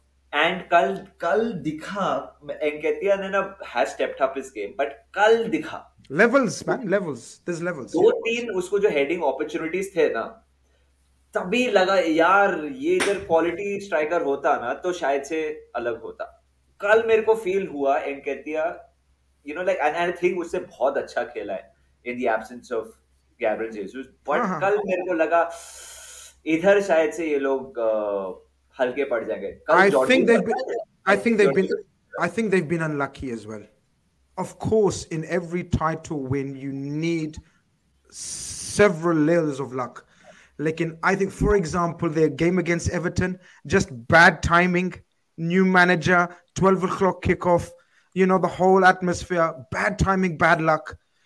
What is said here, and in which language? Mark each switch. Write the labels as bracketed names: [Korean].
[English] And [Hindi] kal dikha, [English] Enketia nena has stepped up his game, but kal dikha. Levels, man. Levels. There's levels. [Hindi] दो तीन उसको जो heading opportunities थे ना, तभी लगा यार ये इधर quality striker होता ना तो शायद से अलग होता. कल मेरे को feel हुआ [English] Enketia, you know, like, and I think [Hindi] उससे बहुत अच्छा खेला है [English] in the absence of Gabriel Jesus. [Hindi] But कल मेरे को लगा इधर शायद से ये लोग हल्के पड़ जाएंगे. [English] I think they've been unlucky as well. Of course, in every title win, you need several layers of luck. Like in, I think, for example, their game against Everton, just bad timing, new manager, 12 o'clock kickoff, you know, the whole atmosphere, bad timing, bad luck.